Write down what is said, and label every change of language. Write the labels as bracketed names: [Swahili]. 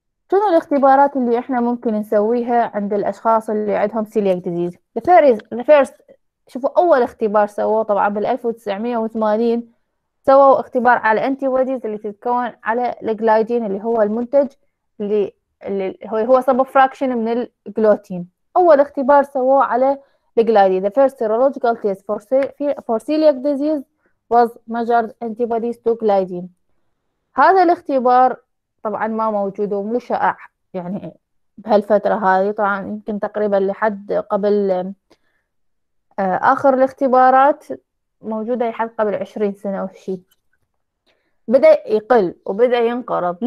[Arabic] شنو الاختبارات اللي احنا ممكن نسويها عند الاشخاص اللي عندهم سيلياك ديزيز؟ [English] the first [Arabic] شوفوا اول اختبار سووه طبعا بال 1980 سووا اختبار على الانتي بوديز اللي تتكون على الجلايدين اللي هو المنتج اللي هو سب فراكشن من الجلوتين. اول اختبار سووه على الجلايدين، [English] the first serological test for celiac disease was measured antibodies to gliadin. [Arabic] هذا الاختبار طبعا ما موجود ومو شائع يعني بهالفترة هذه، طبعا يمكن تقريبا لحد قبل اخر الاختبارات موجودة لحد قبل 20 سنة او شيء، بدأ يقل وبدأ ينقرض.